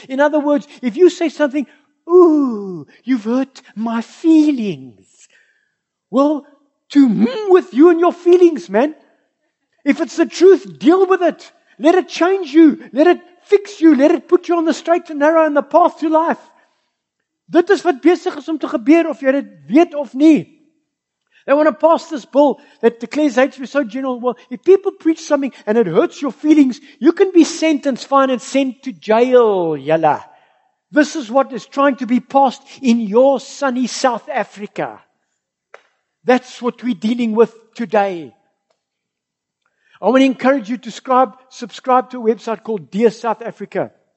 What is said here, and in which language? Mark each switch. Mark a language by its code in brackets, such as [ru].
[en] In other words, if you say something, ooh, you've hurt my feelings. Well, to with you and your feelings, man. If it's the truth, deal with it. Let it change you. Let it fix you. Let it put you on the straight and narrow and the path to life. [af] Dit is wat besig is om te gebeur, of jy dit weet of nie. [en] They want to pass this bill that declares hate speech so general. Well, if people preach something and it hurts your feelings, you can be sentenced, fine, and sent to jail, yalla. This is what is trying to be passed in your sunny South Africa. That's what we're dealing with today. I want to encourage you to subscribe to a website called Dear South Africa.